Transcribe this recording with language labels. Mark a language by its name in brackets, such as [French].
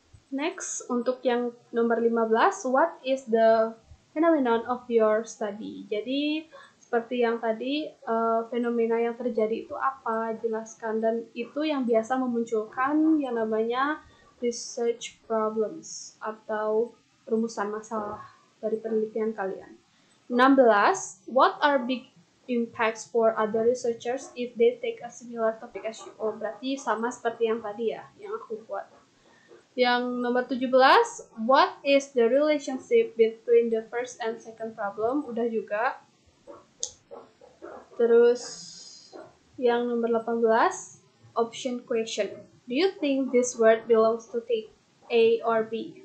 [English] Next, [Indonesian] untuk yang nomor 15, [English] what is the phenomenon of your study? [Indonesian] Jadi, seperti yang tadi, fenomena yang terjadi itu apa? Jelaskan, dan itu yang biasa memunculkan yang namanya [English] research problems [Indonesian] atau rumusan masalah dari penelitian kalian. [English] 16, what are big impacts for other researchers if they take a similar topic as you? [Indonesian] Oh, berarti sama seperti yang tadi ya, yang aku buat. Yang nomor 17, [English] what is the relationship between the first and second problem? [Indonesian] Udah juga. Terus, yang nomor 18, [English] option question. Do you think this word belongs to take A or B?